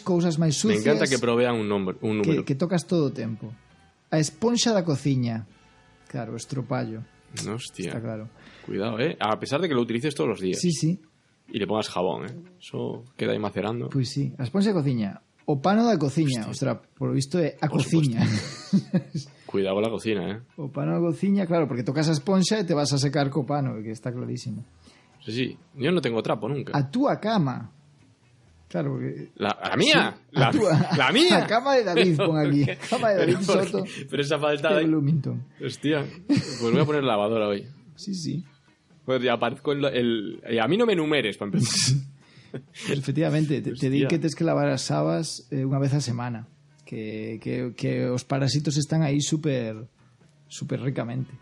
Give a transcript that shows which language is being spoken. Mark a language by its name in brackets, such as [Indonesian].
[Spanish] cosas más sucias. Me encanta que provean un número. Que tocas todo el tiempo. [Galician] A esponja de cocina. Claro, estropallo. [Spanish] Hostia. Está claro. Cuidado, ¿eh? A pesar de que lo utilices todos los días. Sí, sí. Y le pongas jabón, ¿eh? Eso queda ahí macerando. [Galician] Pues sí, a esponja de cocina. O pano da cociña, ostras, [Spanish] por lo visto [Galician] é a cociña. [Spanish] Cuidado con la cocina, eh. [Galician] O pano da cociña, claro, porque tocas a esponxa e te vas a secar co pano, que está clarísimo. [Spanish] Sí, sí, yo no tengo trapo nunca. [Galician] A túa cama. Claro, porque... [Spanish] ¿La mía? Sí. La, [Galician] a tua, [Spanish] ¿la mía? [Galician] A cama de David, pon aquí. Cama de David Soto. [Spanish] Pero esa falta de... Bloomington. Hostia, pues voy a poner lavadora hoy. Sí, sí. Pues ya aparezco y a mí no me enumeres, para empezar. [Galician] Pues efectivamente, te di que tens que lavar as sabas unha vez a semana, que os parasitos están aí super super ricamente.